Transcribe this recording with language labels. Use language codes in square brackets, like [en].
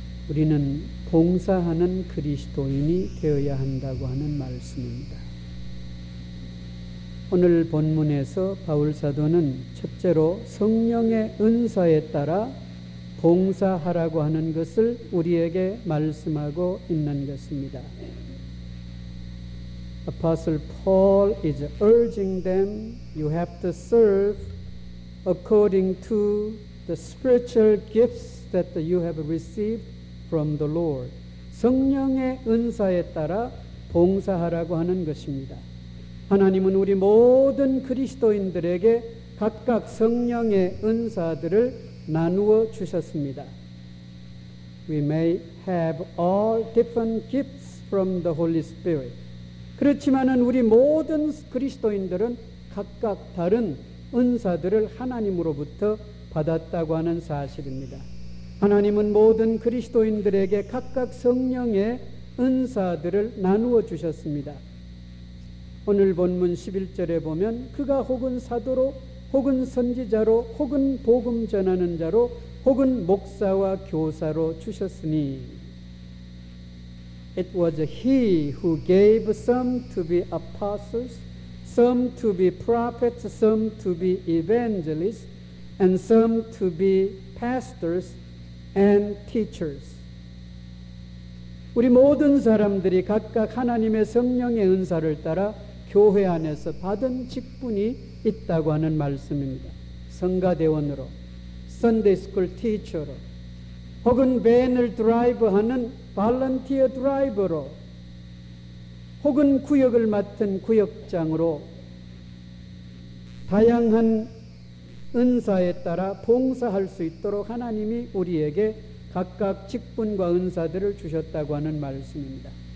[ko] 우리는 봉사하는 그리스도인이 되어야 한다고 하는 말씀입니다. 오늘 본문에서 바울사도는 첫째로 성령의 은사에 따라 봉사하라고 하는 것을 우리에게 말씀하고 있는 것입니다. [en] Apostle Paul is urging them, you have to serve according to the spiritual gifts that you have received from the Lord. [ko] 성령의 은사에 따라 봉사하라고 하는 것입니다. 하나님은 우리 모든 그리스도인들에게 각각 성령의 은사들을 나누어 주셨습니다. [en] We may have all different gifts from the Holy Spirit. [ko] 그렇지만은 우리 모든 그리스도인들은 각각 다른 은사들을 하나님으로부터 받았다고 하는 사실입니다. 하나님은 모든 그리스도인들에게 각각 성령의 은사들을 나누어 주셨습니다. 오늘 본문 11절에 보면 그가 혹은 사도로 혹은 선지자로 혹은 복음 전하는 자로 혹은 목사와 교사로 주셨으니 [en] It was he who gave some to be apostles, some to be prophets, some to be evangelists, and some to be pastors and teachers. [ko] 우리 모든 사람들이 각각 하나님의 성령의 은사를 따라 교회 안에서 받은 직분이 있다고 하는 말씀입니다. 성가대원으로, Sunday School teacher로, 혹은 밴을 드라이브하는 Volunteer driver로, 혹은 구역을 맡은 구역장으로 다양한 은사에 따라 봉사할 수 있도록 하나님이 우리에게 각각 직분과 은사들을 주셨다고 하는 말씀입니다.